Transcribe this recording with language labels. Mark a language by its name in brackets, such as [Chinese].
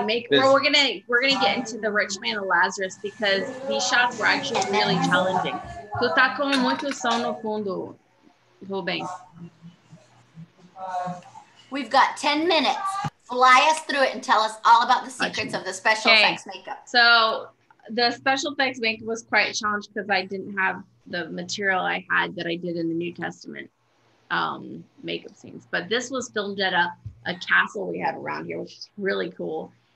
[English] We're gonna get into the rich man of Lazarus because these shots were actually really challenging. [Portuguese] Tu tá com muito som no fundo, Rubem. [English] We've got 10 minutes. Fly us through it and tell us all about the secrets of the special effects makeup. So the special effects makeup was quite a challenge because I didn't have the material I had that I did in the New Testament. Makeup scenes, but this was filmed at a castle we had around here, which is really cool.